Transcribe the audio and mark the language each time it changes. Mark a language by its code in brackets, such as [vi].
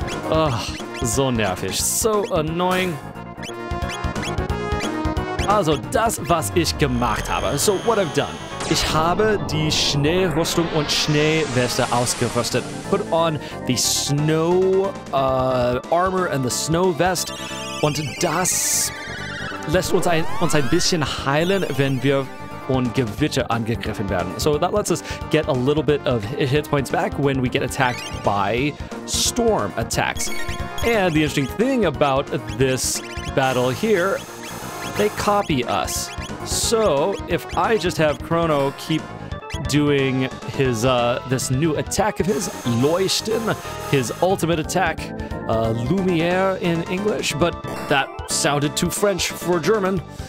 [de] Oh, so nervig. [en] So annoying. [de] Also, das, was ich gemacht habe. [en] So, what I've done. [de] Ich habe die Schneerüstung und Schneeweste ausgerüstet. [en] Put on the snow armor and the snow vest. [de] Und das lässt uns ein bisschen heilen, wenn wir von Gewitter angegriffen werden. [en] So, that lets us get a little bit of hit points back when we get attacked by storm attacks. And the interesting thing about this battle here, they copy us. So, if I just have Chrono keep doing his this new attack of his, Leuchten, his ultimate attack, Lumiere in English, but that sounded too French for German.